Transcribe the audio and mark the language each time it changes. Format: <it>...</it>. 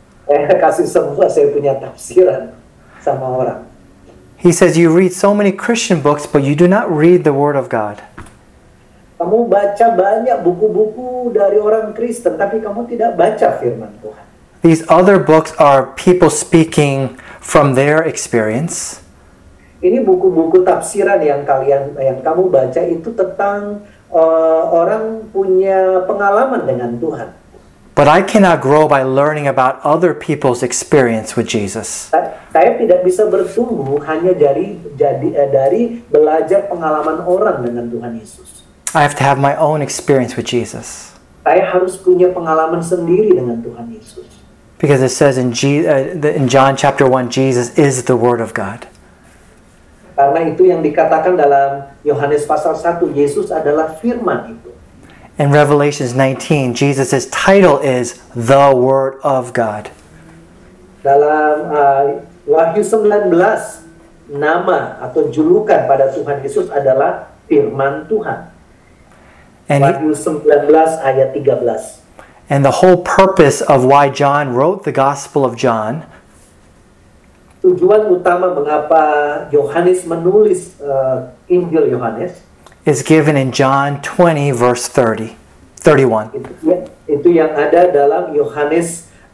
<id>Saya kasih semua, saya punya tafsiran sama orang.</id> <en>He says, you read so many Christian books, but you do not read the Word of God.</en> <id>Kamu baca banyak buku-buku dari orang Kristen, tapi kamu tidak baca firman Tuhan.</id> <en>These other books are people speaking from their experience.</en> <id>Ini buku-buku tafsiran yang kamu baca itu tentang orang punya pengalaman dengan Tuhan.</id> <en>But I cannot grow by learning about other people's experience with Jesus.</en> <id>Saya tidak bisa bertumbuh hanya dari belajar pengalaman orang dengan Tuhan Yesus.</id> <en>I have to have my own experience with Jesus.</en> <id>Saya harus punya pengalaman sendiri dengan Tuhan Yesus.</id> <en>Because it says in John chapter 1, Jesus is the Word of God.</en> <id>Karena itu yang dikatakan dalam Yohanes pasal 1, Yesus adalah firman itu.</id> <en>In Revelation 19, Jesus' title is the Word of God.</en> <id>Dalam Wahyu 19, nama atau julukan pada Tuhan Yesus adalah firman Tuhan. Wahyu 19 ayat 13.</id> <en>And the whole purpose of why John wrote the Gospel of John.</en> <id>Tujuan utama mengapa Yohanes menulis Injil Yohanes</id> <en>is given in John 20 verse 30, 31.</en> <id>Itu yang ada dalam Yohanes</id>